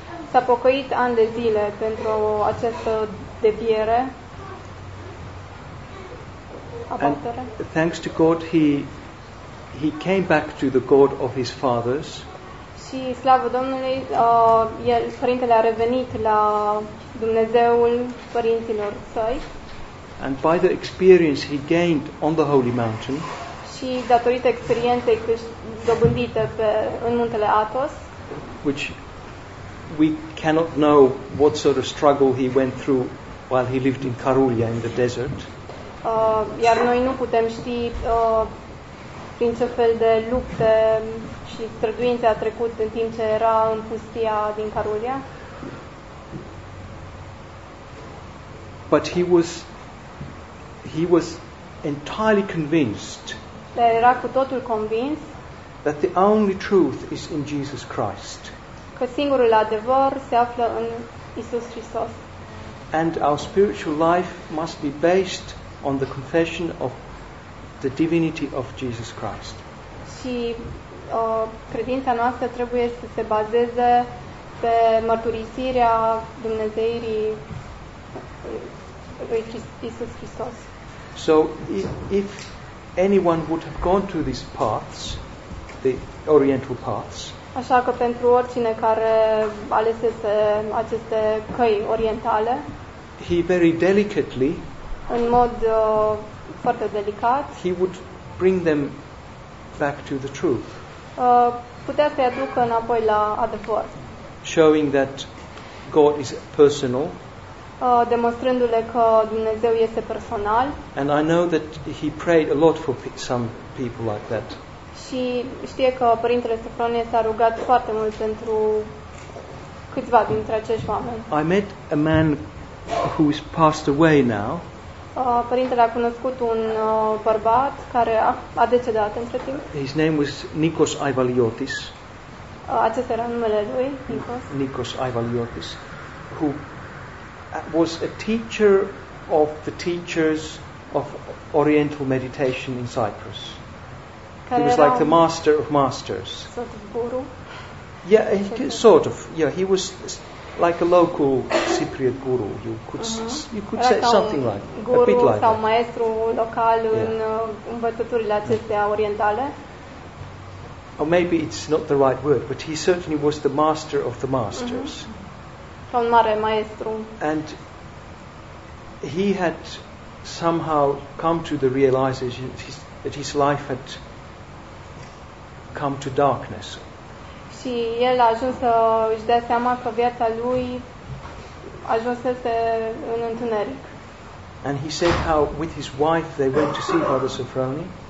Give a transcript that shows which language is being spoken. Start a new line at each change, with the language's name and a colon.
Romanian: S-a pocăit ani de zile pentru această deviere.
English: And thanks to God he came back to the God of his fathers.
Romanian: Și slavă Domnului, părintele a revenit la Dumnezeul părinților săi.
English: And by the experience he gained on the holy mountain.
Romanian: Și datorită experienței dobândite în muntele Athos,
English: which we cannot know what sort of struggle he went through while he lived in Karulia in the desert.
Romanian: Iar noi nu putem ști prin ce fel de lupte și străduințe a trecut în timp ce era în pustia din Karulia.
English: But he was entirely convinced.
Romanian: Dar era cu totul convins.
English: That the only truth is in Jesus Christ.
Romanian: Că singurul adevăr se află în Isus Hristos.
English: And our spiritual life must be based on the confession of the divinity of Jesus Christ.
Romanian: Și credința noastră trebuie să se bazeze pe mărturisirea Dumnezeirii lui Isus Hristos.
English: So if anyone would have gone to these paths, the oriental paths.
Romanian: Așa că pentru oricine care alesese aceste căi orientale,
English: he very delicately,
Romanian: în mod foarte delicat,
English: he would bring them back to the truth.
Romanian: Putea să-i aducă înapoi la adevăr.
English: Showing that God is personal.
Romanian: Demonstrându-le că Dumnezeu este personal.
English: And I know that he prayed a lot for some people like that.
Romanian: Și știe că părintele Sofronie s-a rugat foarte mult pentru câțiva dintre acești oameni.
English: I met a man who is passed away now.
Romanian: Părintele a cunoscut un bărbat care a decedat între timp.
English: His name was Nikos Aivaliotis.
Romanian: Acesta era numele lui, Nikos.
English: Nikos Aivaliotis, who was a teacher of the teachers of Oriental meditation in Cyprus.
Romanian: Care
English: he was like the master of masters. Sort of guru. Yeah, sort of. Yeah, he was like a local Cypriot guru, you could
Romanian: era
English: say something like guru, a bit like
Romanian: sau maestru local în învățăturile acestea orientale.
English: Or maybe it's not the right word, but he certainly was the master of the masters.
Romanian: Sau un mare maestru.
English: And he had somehow come to the realization that his life had come to darkness.
Romanian: Și el a ajuns să își dea seama că viața lui ajunsese în întuneric.
English: And he said how with his wife they went to see Father Sofronie.